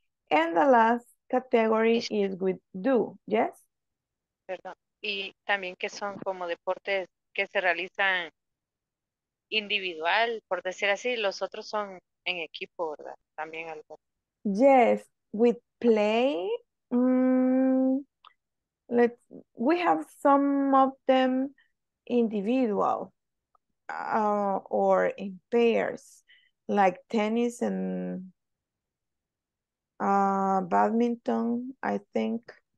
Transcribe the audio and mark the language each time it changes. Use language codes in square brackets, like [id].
[en] And the last category is with do, yes? [es] Perdón. Y también que son como deportes que se realizan individual, por decir así, los otros son en equipo, ¿verdad? También algo. [en] Yes, with play, we have some of them individual or in pairs, like tennis and badminton, I think.